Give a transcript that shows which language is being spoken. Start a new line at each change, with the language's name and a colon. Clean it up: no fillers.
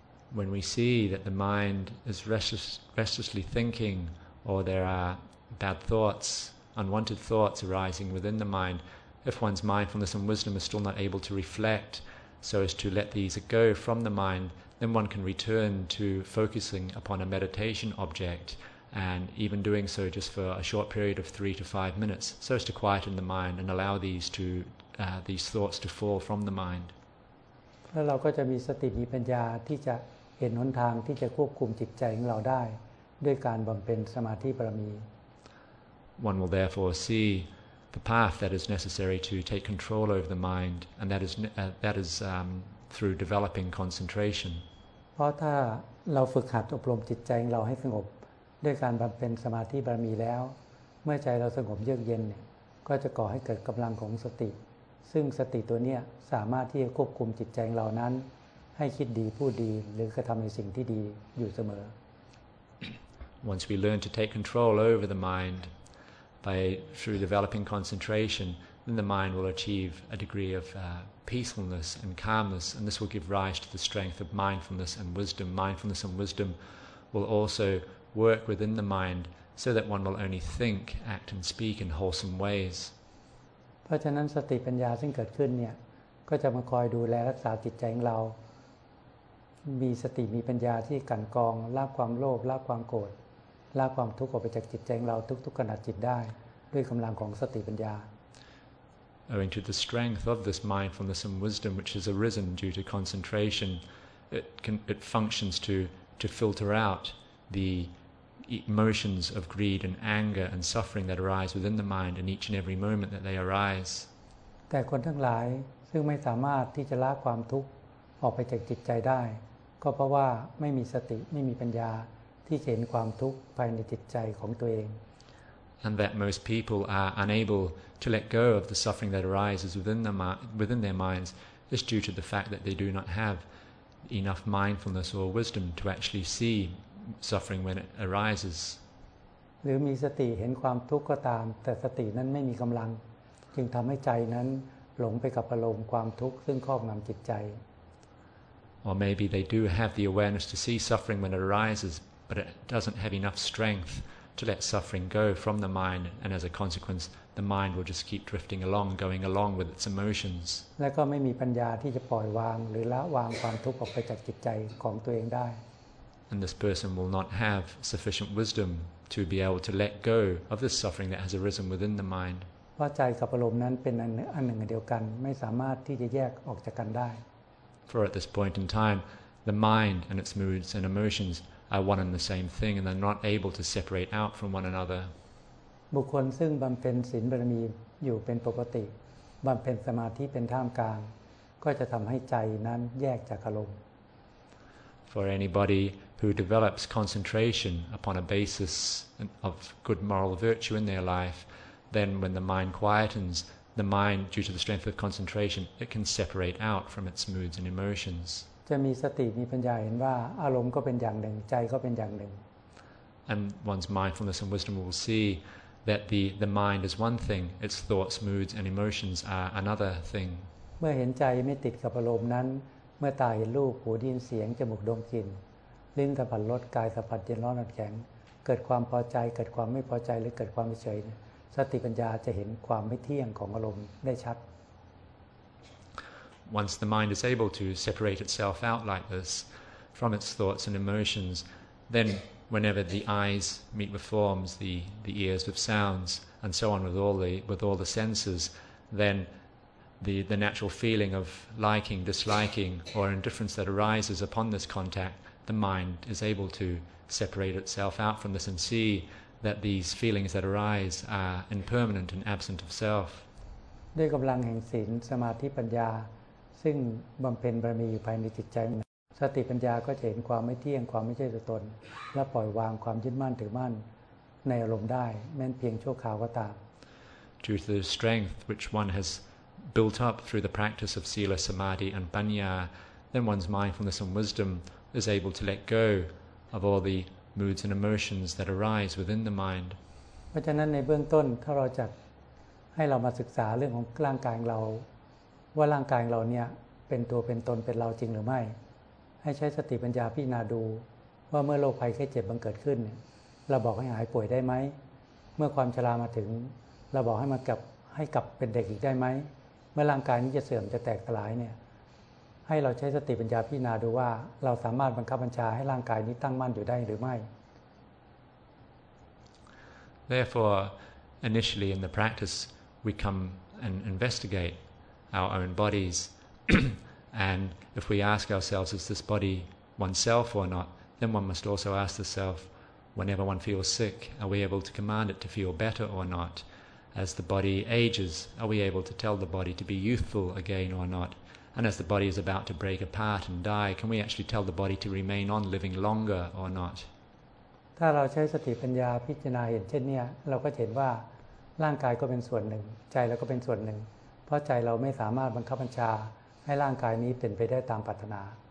English: When we see that the mind is restlessly thinking or there are bad thoughts unwanted thoughts arising within the mind if one's mindfulness and wisdom is still not able to reflect so as to let these go from the mindthen one can return to focusing upon a meditation object and even doing so just for a short period of 3 to 5 minutes so as to quieten the mind and allow these thoughts to fall from the mind
Thai: แล้วเราก็จะมีสติมีปัญญาที่จะเห็นหนทางที่จะควบคุมจิตใจของเราได้ด้วยการบำเพ็ญสมาธิบารมี
English: one will therefore see the path that is necessary to take control over the mind and that is through developing concentration
Thai: เพราะถ้าเราฝึกหัดอบรมจิตใจของเราให้สงบด้วยการบำเพ็ญสมาธิบารมีแล้วเมื่อใจเราสงบเยือกเย็นเนี่ยก็จะก่อให้เกิดกำลังของสติซึ่งสติตัวเนี้ยสามารถที่จะควบคุมจิตใจของเรานั้นให้คิดดีพูดดีหรือกระทำในสิ่งที่ดีอยู่เสม
English: อ Once we learn to take control over the mind by through developing concentration then the mind will achieve a degree ofpeacefulness and calmness and this will give rise to the strength of mindfulness and wisdom mindfulness and wisdom will also work within the mind so that one will only think act and speak in wholesome ways
Thai: เพราะฉะนั้นสติปัญญาซึ่งเกิดขึ้นเนี่ยก็จะมาคอยดูแลรักษาจิตใจของเรามีสติมีปัญญาที่กั้นกองละความโลภละความโกรธละความทุกข์ออกไปจากจิตใจของเราทุกๆขณะจิตได้ด้วยกำลังของสติปัญญา
English: Owing to the strength of this mindfulness and wisdom which has arisen due to concentration, it functions to filter out the emotions of greed and anger and suffering that arise within the mind in each and every moment that they arise.
Thai: แต่คนทั้งหลายซึ่งไม่สามารถที่จะละความทุกข์ออกไปจากจิตใจได้ก็เพราะว่าไม่มีสติไม่มีปัญญาที่จะเห็นความทุกข์ภายในจิตใจของตัวเอง
English: And that most people are unable to let go of the suffering that arises within their minds is due to the fact that they do not have enough mindfulness or wisdom to actually see suffering when it arises.
Thai: หรือมีสติเห็นความทุกข์ก็ตามแต่สตินั้นไม่มีกำลังจึงทำให้ใจนั้นหลงไปกับอารมณ์ความทุกข์ซึ่งครอบงำจิตใจ
English: Or maybe they do have the awareness to see suffering when it arises, but it doesn't have enough strength. To let suffering go from the mind, and as a consequence, the mind will just keep drifting along, going along with its emotions.
Thai: และก็ไม่มีปัญญาที่จะปล่อยวางหรือละวางความทุกข์ออกไปจากจิตใจของตัวเองได้
English: And this person will not have sufficient wisdom to be able to let go of the suffering that has arisen within the mind.
Thai: ว่าใจกับอารมณ์นั้นเป็นอันหนึ่งเดียวกันไม่สามารถที่จะแยกออกจากกันได้
English: For at this point in time, the mind and its moods and emotions. Are one and the same thing, and they're not able to separate out from one another.
Thai: บุคคลซึ่งบำเพ็ญศีลบารมีอยู่เป็นปกติบำเพ็ญสมาธิเป็นท่ามกลางก็จะทำให้ใจนั้นแยกจากอารมณ์
English: For anybody who develops concentration upon a basis of good moral virtue in their life, then when the mind quietens, the mind, due to the strength of concentration, it can separate out from its moods and emotions.
Thai: จะมีสติมีปัญญาเห็นว่าอารมณ์ก็เป็นอย่างหนึ่งใจก็เป็นอย่างหนึ่ง
English: And one's mindfulness and wisdom will see that the mind is one thing, its thoughts, moods, and emotions are another thing.
Thai: เมื่อเห็นใจไม่ติดกับอารมณ์นั้นเมื่อตาเห็นรูปหูได้ยินเสียงจมูกดมกลิ่นลิ้นสัมผัสรสกายสัมผัสเย็นร้อนอ่อนแข็งเกิดความพอใจเกิดความไม่พอใจหรือเกิดความเฉยสติปัญญาจะเห็นความไม่เที่ยงของอารมณ์ได้ชัด
English: Once the mind is able to separate itself out like this from its thoughts and emotions then whenever the eyes meet with forms the ears with sounds and so on with all the senses thenthe natural feeling of liking, disliking, or indifference that arises upon this contact, the mind is able to separate itself out from this and see that these feelings that arise are impermanent and absent of self.
Thai: ด้วยกำลังแห่งศีลสมาธิปัญญาซึ่งบำเพ็ญบารมีอยู่ภายในจิตใจสติปัญญาก็จะเห็นความไม่เที่ยงความไม่ใช่ตัวตนและปล่อยวางความยึดมั่นถือมั่นในอารมณ์ได้แม้เพียงชั่วคราวก็ตาม
English: Due to the strength which one hasbuilt up through the practice of sila samadhi and panya then one's mindfulness and wisdom is able to let go of all the moods and emotions that arise within the mind
Thai: เพราะฉะนั้นในเบื้องต้นถ้าเราจะให้เรามาศึกษาเรื่องของร่างกายเราว่าร่างกายเราเนี่ยเป็นตัวเป็นตนเป็นเราจริงหรือไม่ให้ใช้สติปัญญาพิจารณาดูว่าเมื่อโรคภัยไข้เจ็บบังเกิดขึ้นเราบอกให้หายป่วยได้ไหมเมื่อความชรามาถึงเราบอกให้มากับให้กลับเป็นเด็กอีกได้ไหมเมื่อร่างกายนี้จะเสื่อมจะแตกสลายเนี่ยให้เราใช้สติปัญญาพิจารณาดูว่าเราสามารถบังคับบัญชาให้ร่างกายนี้ตั้งมั่นอยู่ได้หรือไม่
English: Therefore initially in the practice we come and investigate our own bodies and if we ask ourselves is this body oneself or not then one must also ask the self whenever one feels sick are we able to command it to feel better or notAs the body ages, are we able to tell the body to be youthful again or not? And as the body is about to break apart and die, can we actually tell the body to remain on living longer or not?
Thai: ถ้าเราใช้สติปัญญาพิจารณาเห็นเช่นนี้เราก็เห็นว่าร่างกายก็เป็นส่วนหนึ่งใจเราก็เป็นส่วนหนึ่งเพราะใจเราไม่สามารถบังคับบัญชาให้ร่างกายนี้เป็นไปได้ตามปรารถนา